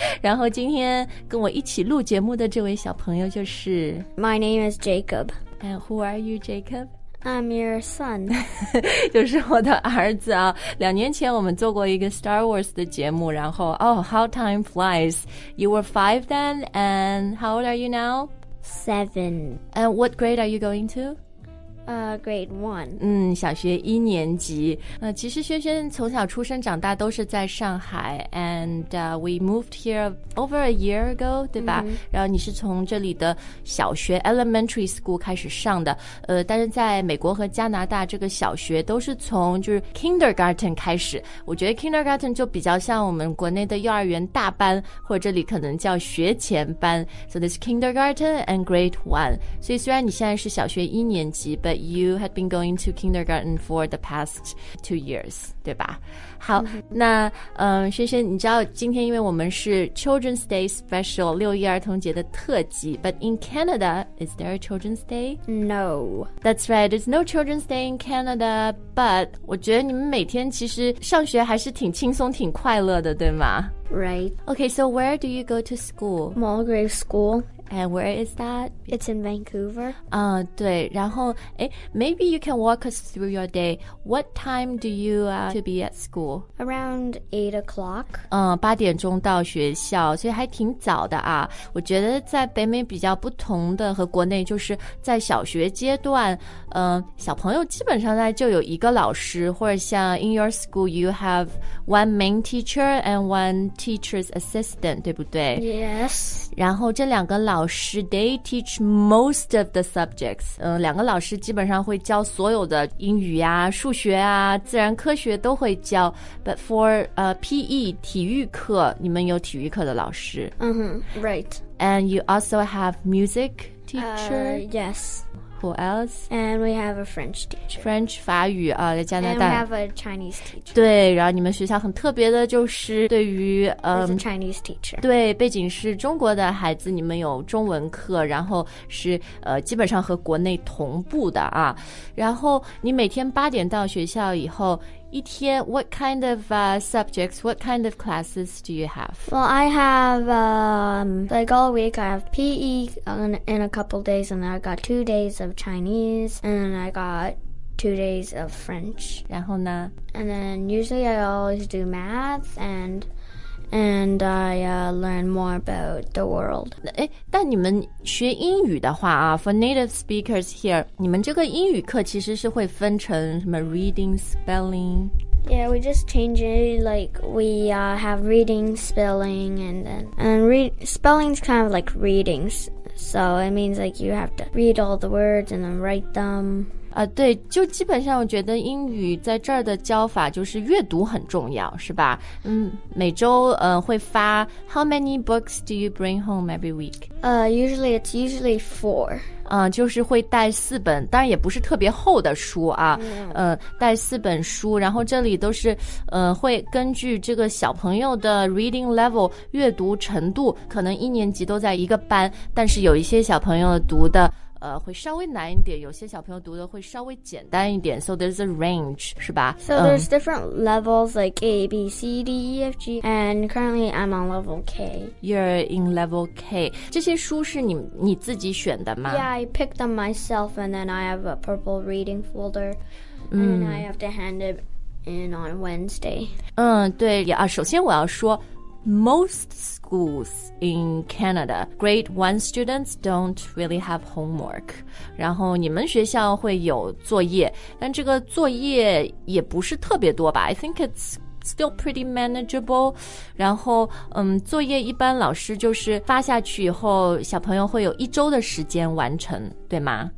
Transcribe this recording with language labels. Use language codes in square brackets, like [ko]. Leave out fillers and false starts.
[zh] 然后今天跟我一起录节目的这位小朋友就是 [en] ，My name is Jacob， and who are you, Jacob？ I'm your son. [zh] 就是我的儿子啊。两年前我们做过一个 Star Wars 的节目，然后 [en] Oh, how time flies. You were 5 then, and how old are you now? 7. And what grade are you going to? Grade 1. [zh] 嗯，小学一年级。其实萱萱从小出生长大都是在上海 ， [en] and we moved here over a year ago， [zh] 对吧？Mm-hmm. 然后你是从这里的小学 elementary school 开始上的。但是在美国和加拿大，这个小学都是从就是 kindergarten 开始。我觉得 kindergarten 就比较像我们国内的幼儿园大班，或者这里可能叫学前班。 [en] So this kindergarten and grade one。 [zh] 所以虽然你现在是小学一年级。 [en] But you had been going to kindergarten for the past 2 years, [zh] 对吧？ 好、 [en] mm-hmm. [zh] 那萱萱你知道今天因为我们是 Children's Day Special, 六一儿童节的特辑 [en] But in Canada, is there a Children's Day? No. That's right, there's no Children's Day in Canada, but [zh] 我觉得你们每天其实上学还是挺轻松挺快乐的对吗 [en] Right. Okay, so where do you go to school? Mulgrave School. And where is that? It's in Vancouver. 对然后诶 maybe you can walk us through your day. What time do you to be at school? Around 8 o'clock. [zh] 八点钟到学校所以还挺早的啊。我觉得在北美比较不同的和国内就是在小学阶段小朋友基本上在就有一个老师或者像 [en] in your school, you have one main teacher and one teacher's assistant, [zh] 对不对 [en] Yes. [zh] 然后这两个老师 [en] they teach most of the subjects. [zh] 两个老师基本上会教所有的英语啊数学啊自然科学都会教 [en] But for PE, [zh] 体育课你们有体育课的老师 [en] Mm-hmm, right. And you also have music teacher? Yes. Who else? And we have a French teacher. [zh] French, 法语啊在加拿大。 [en] And we have a Chinese teacher. [zh] 对然后你们学校很特别的就是对于 [en] a Chinese teacher. [zh] 对背景是中国的孩子你们有中文课然后是基本上和国内同步的啊。然后你每天八点到学校以后一天 [en] what kind of subjects, what kind of classes do you have? Well, I have, like all week, I have PE in a couple days, and then I got 2 days of Chinese, and then I got 2 days of French. [zh] 然后呢? [en] And then usually I always do math, and I learn more about the world. [zh] 诶但你们学英语的话啊 [en] for native speakers here, [zh] 你们这个英语课其实是会分成什么 reading, spelling? [en] Yeah, we just change it, like we have reading, spelling, spelling's kind of like reading, so it means like you have to read all the words and then write them. [zh] 对就基本上我觉得英语在这儿的教法就是阅读很重要是吧嗯每周会发 [en] How many books do you bring home every week? Usually it's 4. [zh] 就是会带四本当然也不是特别厚的书啊、 [en] no. [zh] 带四本书然后这里都是会根据这个小朋友的 reading level, 阅读程度可能一年级都在一个班但是有一些小朋友读的会稍微难一点有些小朋友读的会稍微简单一点 [en] So there's a range [zh] 是吧 [en] So there's different levels like A, B, C, D, E, F, G And currently I'm on level K You're in level K [zh] 这些书是 你自己选的吗 [en] Yeah, I picked them myself And then I have a purple reading folder And I have to hand it in on Wednesday [zh] 对啊，首先我要说 [en] Most schools in Canada, grade 1 students don't really have homework. [zh] 然后你们学校会有作业,但这个作业也不是特别多吧? [en] I think it's still pretty manageable. [zh] 然后作业一般老师就是发下去以后小朋友会有一周的时间完成,对吗?